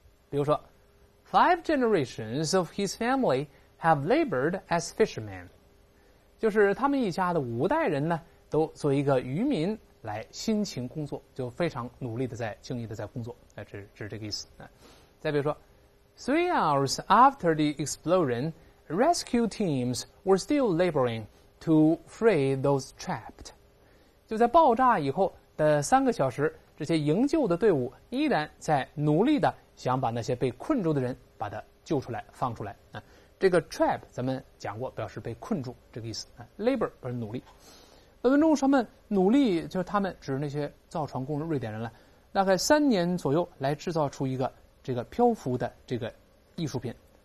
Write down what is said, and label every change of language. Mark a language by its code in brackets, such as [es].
[zh] 比如说 [en] ，5 generations of his family have labored as fishermen。 [zh] 就是他们一家的5代人呢都作为一个渔民来辛勤工作，就非常努力的在敬业的在工作，这是这个意思。再比如说 [en] 3 hours after the explosion, rescue teams were still laboring to free those trapped. [zh] 就在爆炸以后的3个小时，这些营救的队伍依然在努力的想把那些被困住的人把他救出来放出来。这个 trap 咱们讲过，表示被困住这个意思。labor 表示努力。本文中他们努力，就是他们指那些造船工人，瑞典人了，大概3年左右来制造出一个这个漂浮的这个艺术品。